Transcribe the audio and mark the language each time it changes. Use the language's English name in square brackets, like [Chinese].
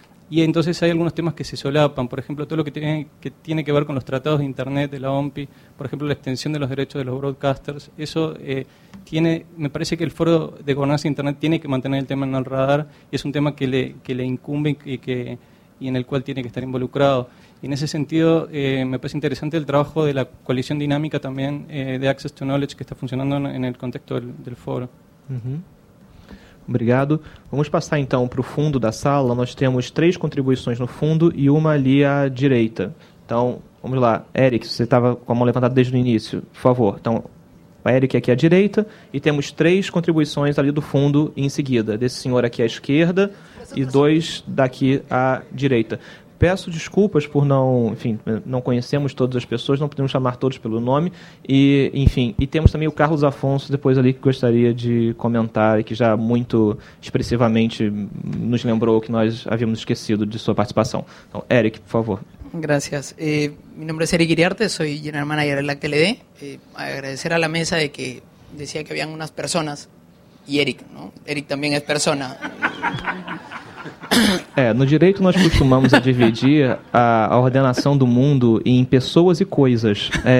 [Spanish] Y entonces hay algunos temas que se solapan, por ejemplo, todo lo que tiene que ver con los tratados de Internet de la OMPI, por ejemplo, la extensión de los derechos de los broadcasters, eso me parece que el Foro de Gobernanza de Internet tiene que mantener el tema en el radar, y es un tema que le incumbe y en el cual tiene que estar involucrado. Y en ese sentido me parece interesante el trabajo de la coalición dinámica también de Access to Knowledge que está funcionando en el contexto del foro. [Portuguese] Uh-huh. Obrigado. Vamos passar então para o fundo da sala. Nós temos três contribuições no fundo e uma ali à direita. Então, vamos lá. Eric, você estava com a mão levantada desde o início, por favor. Então, o Eric aqui à direita e temos três contribuições ali do fundo em seguida. Desse senhor aqui à esquerda e dois daqui à direita. Peço desculpas por não conhecemos todas as pessoas, não podemos chamar todos pelo nome, e temos também o Carlos Afonso depois ali que gostaria de comentar e que já muito expressivamente nos lembrou que nós havíamos esquecido de sua participação. Então, Eric, por favor. [Spanish] Gracias. Mi nombre es Eric Iriarte, soy [English] General Manager [Spanish] de la TLD. Agradecer a la mesa de que decía que habían unas personas, y Eric, ¿no? Eric también es persona. [Portuguese] No direito nós costumamos a dividir a ordenação do mundo em pessoas e coisas.